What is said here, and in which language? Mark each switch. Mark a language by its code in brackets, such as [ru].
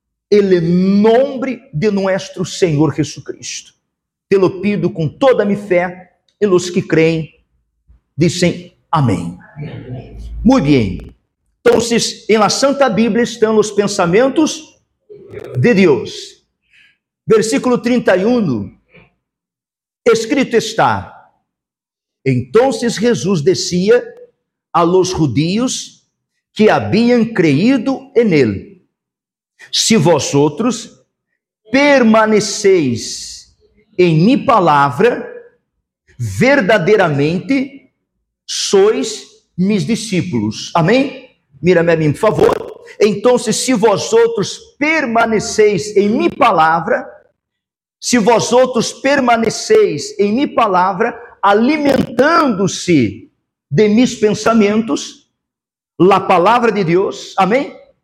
[pt] Em nome de nosso Senhor Jesus Cristo. [es] Te lo pido [pt] com toda a minha fé, e os que creem, dizem amém. Muito bem. Então, em la Santa Bíblia estão os pensamentos de Deus. [es] Versículo 31, escrito está: [pt] então [es] Jesus decía a los judíos que habían creído en él: si vosotros permanecéis en mi palabra, verdaderamente sois mis discípulos. [pt] Amém? Mira-me a mim, por favor. Então, se vós outros permaneceis em minha palavra, se vós outros permaneceis em minha palavra, alimentando-se de meus pensamentos, la palavra de Deus, amém?